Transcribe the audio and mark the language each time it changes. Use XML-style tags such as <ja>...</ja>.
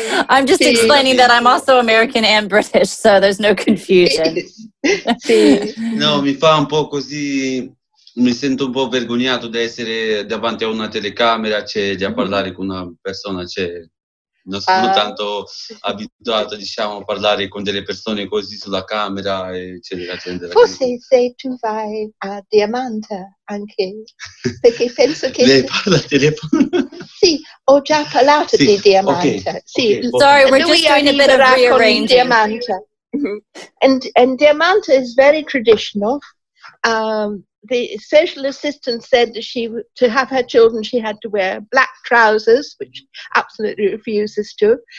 <en>I'm just explaining that I'm also American and British, so there's no confusion.</en> <it>No, mi fa un po' così... Mi sento un po' vergognato di essere davanti a una telecamera, cioè di parlare con una persona, cioè non sono tanto abituato, diciamo, a parlare con delle persone così sulla camera, eccetera, eccetera. Forse sei tu vai a Diamante anche, perché penso che... Lei parla al telefono? Sì, ho già parlato di Diamante. Okay. Sì. Okay.</it> <en>Sorry, we're just doing a bit of rearranging. Diamante. And Diamante is very traditional. The social assistant said that she, to have her children, she had to wear black trousers, which absolutely refuses to.</en>